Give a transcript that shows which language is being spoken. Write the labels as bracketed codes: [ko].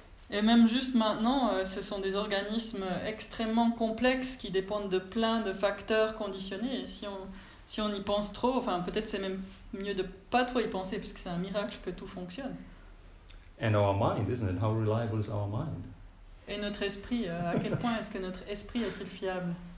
[fr] Et même juste maintenant, ce sont des organismes extrêmement complexes qui dépendent de plein de facteurs conditionnés. Et si on y pense trop, enfin peut-être c'est même mieux de pas trop y penser, parce que c'est un miracle que tout fonctionne. [en] And our mind, isn't it? How reliable is our mind? [fr] Et notre esprit, à quel point est-ce que notre esprit est-il fiable?